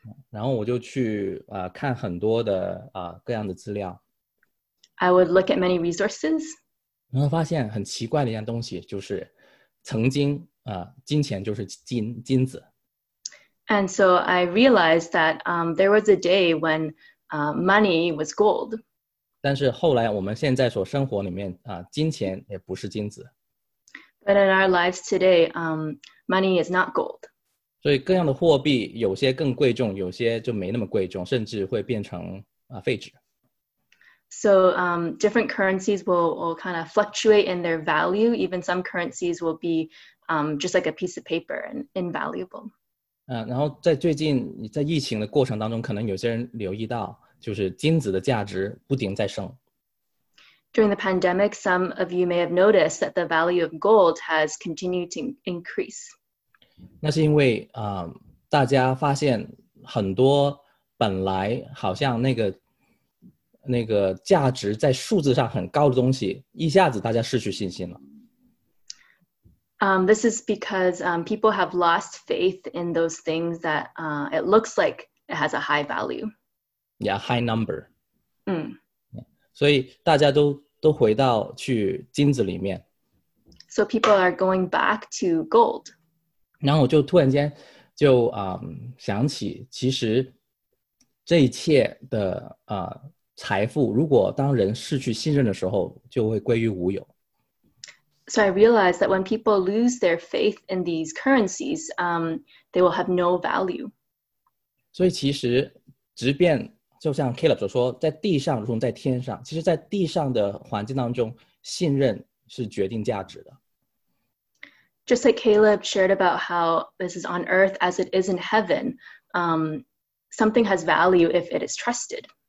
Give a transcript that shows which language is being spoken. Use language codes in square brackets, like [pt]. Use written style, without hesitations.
[zh] 然后我就去看很多的各样的资料。 [en] I would look at many resources. [zh] 然后发现很奇怪的一样东西，就是曾经金钱就是金子。 [en] And so I realized that there was a day when money was gold. [zh] 但是后来我们现在所生活里面金钱也不是金子。 [en] But in our lives today, money is not gold. [zh] 所以各样的货币有些更贵重，有些就没那么贵重，甚至会变成废纸。 [en] So different currencies will kind of fluctuate in their value. Even some currencies will be just like a piece of paper and invaluable. [zh] 然后在最近在疫情的过程当中，可能有些人留意到，就是金子的价值不停在升。 [en] During the pandemic, some of you may have noticed that the value of gold has continued to increase. [zh] 那是因为大家发现很多本来好像那个价值在数字上很高的东西，一下子大家失去信心了。 [en] This is because people have lost faith in those things that it looks like it has a high value. Yeah, high number. 嗯。 [zh] 所以大家都回到去金子里面。 [en] So people are going back to gold. [zh] 然后我就突然间就想起，其实这一切的财富，如果当人失去信任的时候，就会归于无有。 [en] So I realized that when people lose their faith in these currencies, they will have no value. [zh] 所以其实质变就像 Caleb 所说，在地上如同在天上，其实在地上的环境当中，信任是决定价值的。 [en] Just like Caleb shared about how this is on earth as it is in heaven, something has value if it is trusted.